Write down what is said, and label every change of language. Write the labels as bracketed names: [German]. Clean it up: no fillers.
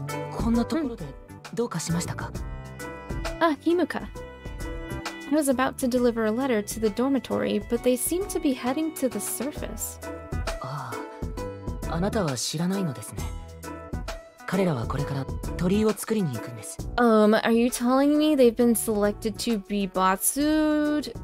[Japanese] こんなところでどうかしましたか? [English] Ah, Himuka. I was about to deliver a letter to the dormitory, but they seemed to be heading to the surface. [Japanese] Ah, あなたは知らないのですね.彼らはこれから鳥居を作りに行くんです。 [English] Are you telling me they've been selected to be Batsu'd?